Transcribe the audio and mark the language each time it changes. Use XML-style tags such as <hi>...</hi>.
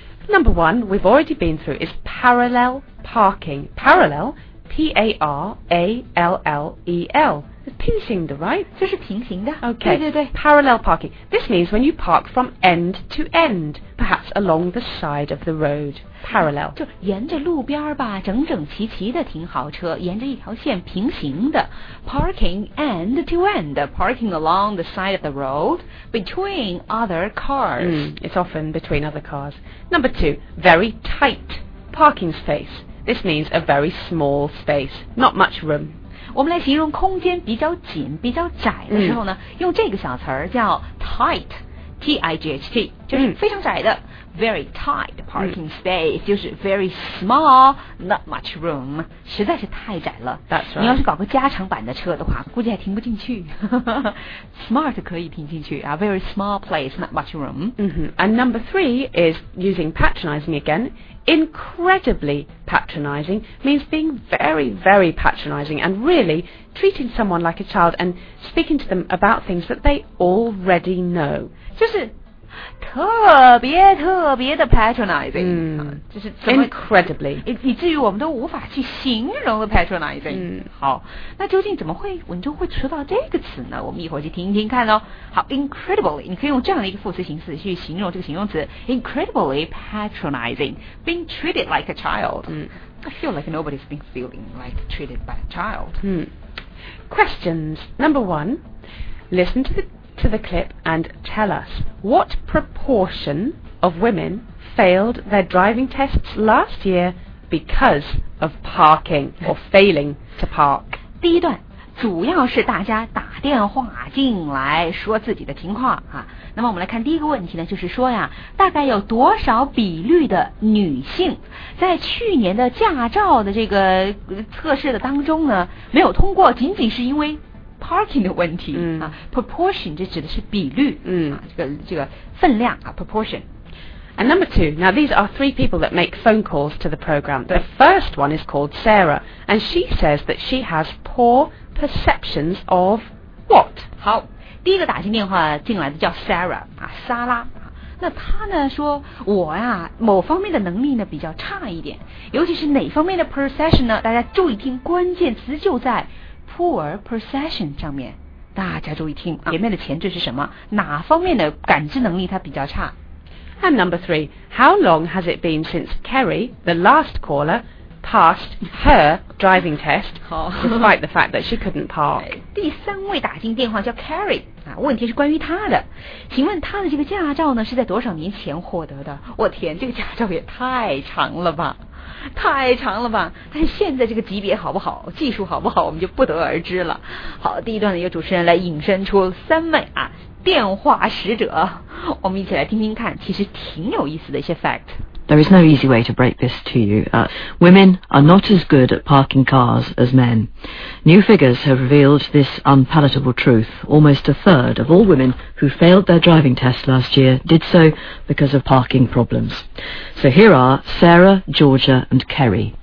<en>Number one we've already been through is parallel parking Parallel P-A-R-A-L-L-E-L It's</en> <zh>平行的</zh> <en>right?</en> <zh>就是平行的</zh> <en>Okay</en> <zh>对对对</zh> <en>Parallel parking This means when you park from end to end Perhaps along the side of the road Parallel</en> <zh>就沿着路边吧整整齐齐的停好车沿着一条线平行的</zh> <en>Parking end to end Parking along the side of the road Between other cars、 It's often between other cars Number two Very tight parking space This means a very small space Not much room</en> <zh>我们来形容空间比较紧比较窄的时候呢、用这个小词儿叫 tight T-I-G-H-T 就是非常窄的、</zh> <en>very tight parking space</en> <zh>就是</zh> <en>very small not much room</en> <zh>实在是太窄了</zh> <en>That's right</en> <zh>你要是搞个加长版的车的话估计还停不进去smart 可以停进去、</zh> <en>a very small place not much room、 and number three is using patronizing againIncredibly patronizing means being very, very patronizing and really treating someone like a child and speaking to them about things that they already know.</en> <zh>就是特别特别的 patronizing、就是、</zh> <en>Incredibly</en> <zh>以至于我们都无法去形容的 patronizing、好那究竟怎么会文中会出到这个词呢我们一会儿去听一听看哦好 incredibly 你可以用这样的一个副词形式去形容这个形容词</zh> <en>incredibly patronizing being treated like a child、 I feel like nobody's been feeling like treated by a child、 Questions Number one listen to the to the clip and tell us what proportion of women failed their driving tests last year because of parking or failing to park.</en> <zh>第一段主要是大家打电话进来说自己的情况啊。那么我们来看第一个问题呢，就是说呀，大概有多少比率的女性在去年的驾照的这个测试的当中呢没有通过，仅仅是因为parking 的问题、嗯、啊 ，proportion 这指的是比率，嗯，啊、这个分量啊 ，proportion。</zh> <en>And number two, now these are three people that make phone calls to the program. The first one is called Sarah, and she says that she has poor perceptions of what?</en> <zh>好，第一个打进电话进来的叫 Sarah 啊，莎拉。那他呢说我呀某方面的能力呢比较差一点，尤其是哪方面的 perception 呢？大家注意听，关键词就在。Poor perception 上面，大家注意听，前面的前缀是什么？哪方面的感知能力它比较差</zh> <en>？And number three, how long has it been since Kerry, the last caller, passed her driving test, despite the fact that she couldn't park?</en> <zh>第三位打进电话叫 Kerry 啊，问题是关于她的，请问她的这个驾照呢是在多少年前获得的？我天，这个驾照也太长了吧！太长了吧，但是现在这个级别好不好，技术好不好，我们就不得而知了。好，第一段呢由主持人来引申出三位啊电话使者，我们一起来听听看，其实挺有意思的一些 fact。</zh> <en>There is no easy way to break this to you. Women are not as good at parking cars as men. New figures have revealed this unpalatable truth. Almost a third of all women who failed their driving test last year did so because of parking problems. So here are Sarah, Georgia and Kerry.</en>